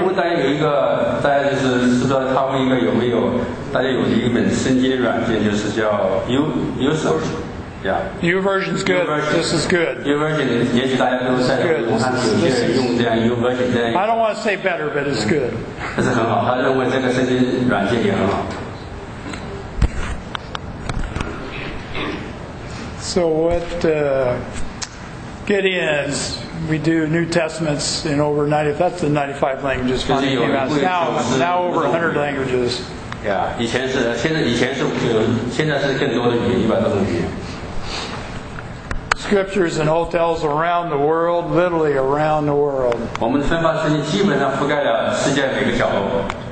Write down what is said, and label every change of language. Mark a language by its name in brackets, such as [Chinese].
[Chinese] 大家有一个，大家就是不知道他们应该有没有，大家有一本圣经软件，就是叫 YouVersion。 [English] YouVersion is good. This is good. [Chinese] YouVersion， 也许大家都在武汉有些人用这样 YouVersion 这样。 [English] I don't want to say better, but it's good. [Chinese] 这是很好，他认为这个圣经软件也很好。 [English] So what, Gideon? We do New Testaments in over 90. That's the 95 languages. Now over 100 languages. [Chinese] Yeah, 以前是更多的语言，一百多种语言。 [English] Scriptures and hotels around the world, literally around the world. [Chinese] 我们分发圣经基本上覆盖了世界每个角落。